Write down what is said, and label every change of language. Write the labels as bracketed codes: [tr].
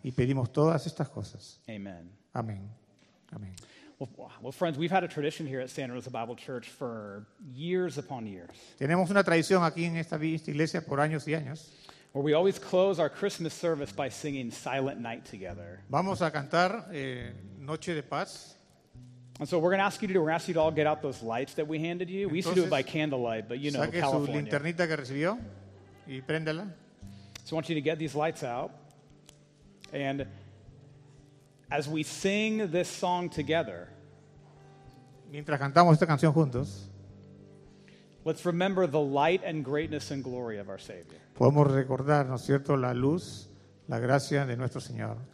[es] Y pedimos todas estas cosas. [en] Amen. [es] Amén. Amén. [en] Well, friends, we've had a tradition here at Santa Rosa Bible Church for years upon years. [es] Tenemos una tradición aquí en esta iglesia por años y años. [en] Where we always close our Christmas service by singing Silent Night together. [es] Vamos a cantar Noche de Paz. [en] And so we're going to ask you to all get out those lights that we handed you. [es] Entonces, [en] we used to do it by candlelight, but you know, [es] saque [en] California. [es] Saque su linternita que recibió y préndela. [en] So I want you to get these lights out. And as we sing this song together, [es] mientras cantamos esta canción juntos, [en] let's remember the light and greatness and glory of our Savior. [es] Podemos recordar, ¿no es cierto?, la luz, la gracia de nuestro Señor.